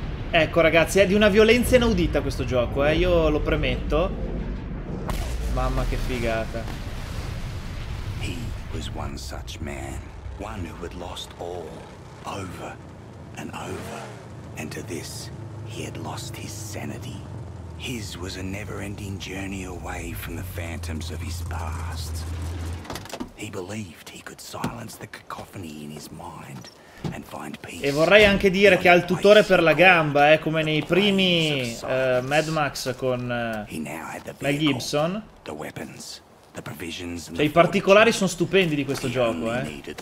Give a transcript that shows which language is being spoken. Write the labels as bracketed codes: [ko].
[it] Ecco ragazzi, è di una violenza inaudita questo gioco, io lo premetto. Mamma che figata. [en] He was one such man, one who had lost all, over and over, and to this he had lost his sanity. His was a never-ending journey away from the phantoms of his past. He believed he could silence the cacophony in his mind. [it] E vorrei anche dire che ha il tutore per la gamba, come nei primi Mad Max con Mel Gibson. Cioè, i particolari sono stupendi di questo gioco, eh.